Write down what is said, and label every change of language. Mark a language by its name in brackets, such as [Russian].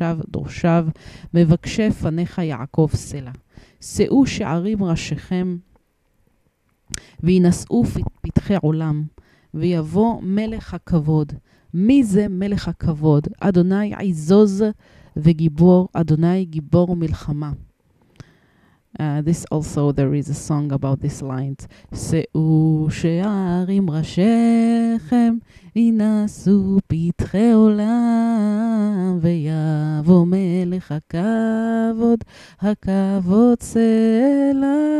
[Hebrew] דורשיו, מבקשי פניך יעקב סלע. שאו שערים ראשיכם, וינשאו פתחי עולם, ויבוא מלך הכבוד. מי זה מלך הכבוד? אדוני עיזוז וגיבור, אדוני גיבור מלחמה. [English] This also, there is a song about this line. [Hebrew] שאו שערים ראשיכם, וינשאו פתחי עולם, ויבוא מלך הכבוד, הכבוד סלע.